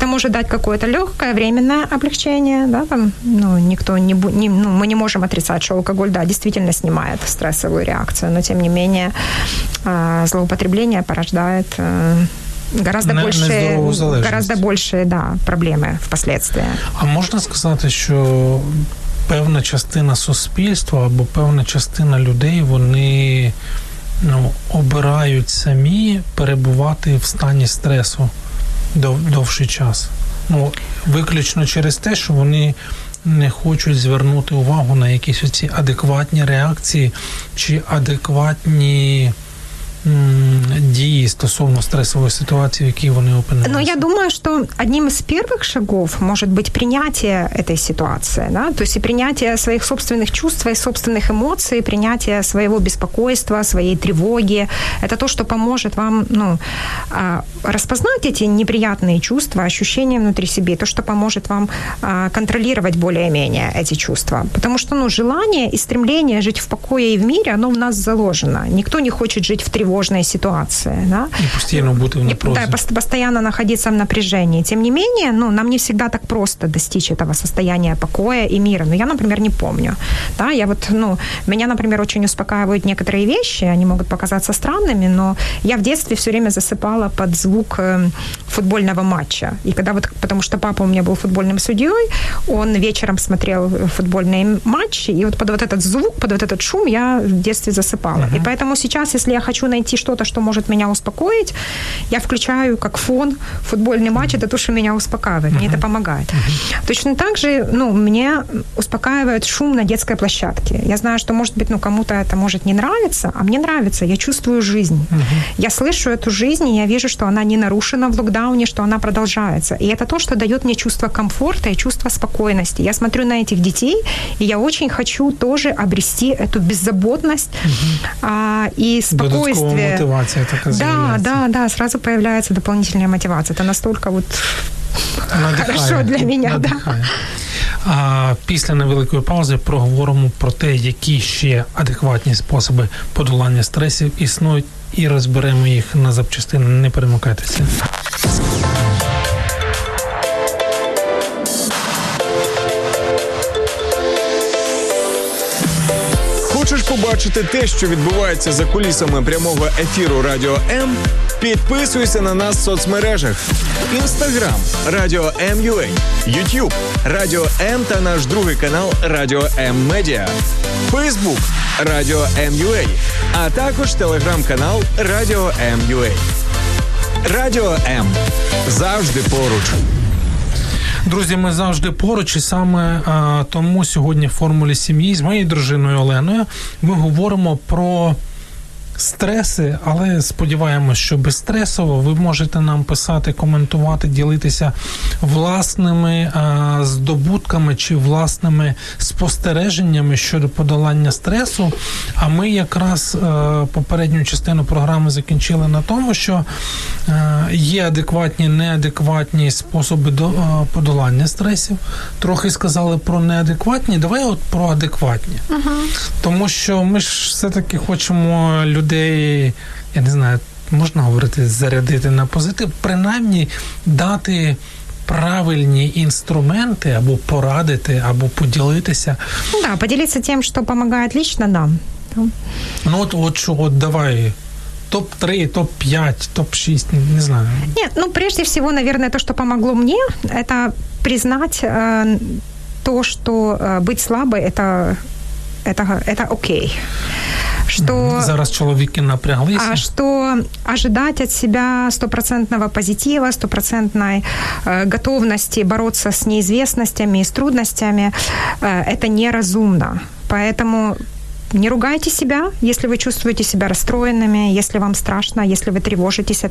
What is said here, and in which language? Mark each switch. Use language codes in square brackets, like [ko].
[ru] Это может дать какое-то легкое временное облегчение, да, там, мы не можем отрицать, что алкоголь, да, действительно снимает стрессовую реакцию, но тем не менее злоупотребление порождает гораздо больше проблемы впоследствии. [uk] А можно сказать, что певна частина суспільства або певна частина людей, вони обирають самі перебувати в стані стресу довший час. Виключно через те, що вони не хочуть звернути увагу на якісь оці адекватні реакції чи адекватні дії стосовно стресової ситуації, в якій вони опинилися? Я думаю, що одним із перших шагів може бути прийняття цієї ситуації. Да? Тобто прийняття своїх собственних чувств і собственних емоцій, прийняття своєго безпокійства, своєї тривоги. Це те, що поможе вам розпознати ці неприємні чувства, відчуття внутрі себе, те, що поможе вам контролювати більш-менш ці чувства. Тому що желання і стремління жити в покої і в мирі, воно в нас заложено. Ніхто не хоче жити в [ru] тривожной ситуации, [uk] да? [ru] И постоянно будет в напряжении. Да, постоянно находиться в напряжении. Тем не менее, нам не всегда так просто достичь этого состояния покоя и мира. Я, например, не помню. Да, я вот, меня, например, очень успокаивают некоторые вещи, они могут показаться странными, но я в детстве все время засыпала под звук футбольного матча. И когда потому что папа у меня был футбольным судьей, он вечером смотрел футбольные матчи, и вот под вот этот звук, под вот этот шум я в детстве засыпала. Uh-huh. И поэтому сейчас, если я хочу найти что-то, что может меня успокоить, я включаю как фон футбольный матч, это то, что меня успокаивает, мне это помогает. Точно так же, мне успокаивает шум на детской площадке. Я знаю, что, может быть, кому-то это может не нравиться, а мне нравится, я чувствую жизнь. Я слышу эту жизнь, и я вижу, что она не нарушена в локдауне, что она продолжается. И это то, что дает мне чувство комфорта и чувство спокойности. Я смотрю на этих детей, и я очень хочу тоже обрести эту беззаботность и спокойствие. [uk] Додаткова мотивація така з'являється. [ru] Да, сразу [uk] появляється дополнительна мотивація. Це настільки хорошо для мене. А після невеликої паузи проговоримо про те, які ще адекватні способи подолання стресів існують, і розберемо їх на запчастини. Не перемикайтеся. Побачити те, що відбувається за кулісами прямого ефіру Радіо М, підписуйся на нас в соцмережах. Instagram – Радіо М.UA, YouTube – Радіо М та наш другий канал Радіо М Медіа, Facebook – Радіо М.UA, а також телеграм-канал Радіо М.UA. Радіо М – завжди поруч. Друзі, ми завжди поруч, і саме тому сьогодні в формулі сім'ї з моєю дружиною Оленою ми говоримо про стреси, але сподіваємось, що без стресово ви можете нам писати, коментувати, ділитися власними здобутками чи власними спостереженнями щодо подолання стресу. А ми якраз попередню частину програми закінчили на тому, що є адекватні, неадекватні способи до подолання стресів. Трохи сказали про неадекватні. Давай от про адекватні. Тому що ми ж все-таки хочемо людей, я не знаю, можна говорити, зарядити на позитив, принаймні дати правильні інструменти, або порадити, або поділитися. Ну, да, поділитися тим, що допомагає лично нам. Ну, от давай, топ-3, топ-5, топ-6, не знаю. [ru] Ні, ну, прежде всего, наверное, то, що помогло мені, це признать то, що бути слабым, это окей. [uk] Что, зараз чоловіки напряглися. [ru] А что ожидать от себя стопроцентного позитива, стопроцентной готовности бороться с неизвестностями и с трудностями, это неразумно. Поэтому не ругайте себя, если вы чувствуете себя расстроенными, если вам страшно, если вы тревожитесь.